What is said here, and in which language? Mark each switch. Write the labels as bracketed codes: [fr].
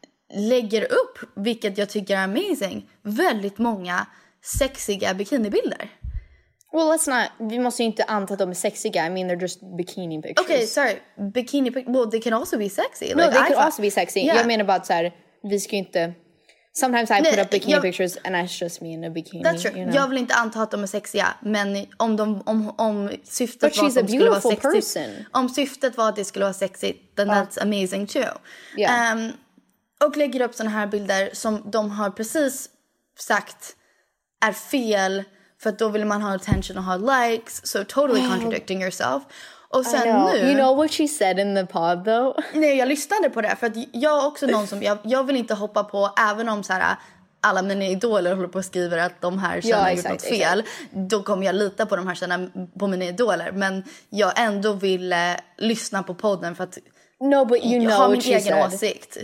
[sv] lägger upp, vilket jag tycker är amazing, väldigt många sexiga bikinibilder. [en] Well, let's not, [sv] vi måste ju inte anta att de är sexiga. [en] I mean, they're just bikini pictures. Okay, sorry. Bikini pictures. Well, they can also be sexy. No, like, they can also be sexy. Yeah. [sv] Jag menar bara så här, vi ska ju inte... [en] Sometimes I put up bikini pictures and that's just me in a bikini. That's true. You know? [sv] Jag vill inte anta att de är sexiga, men om de om syftet var att de skulle vara sexiga, om syftet var att det skulle vara sexigt, [en] then that's amazing too. Yeah. [sv] Och lägger upp såna här bilder som de har precis sagt är fel, för då vill man ha attention och ha likes, [en] so totally contradicting yourself. [sv] Och sen nu, [en] you know what she said in the pod though? [sv] Nej, jag lyssnade på det, för att jag är också någon som jag vill inte hoppa på, även om så här alla mina idoler håller på och skriver att de här känner gjort något fel, då kommer jag lita på de här känner på mina idoler, men jag ändå ville lyssna på podden för att jag har min egen åsikt.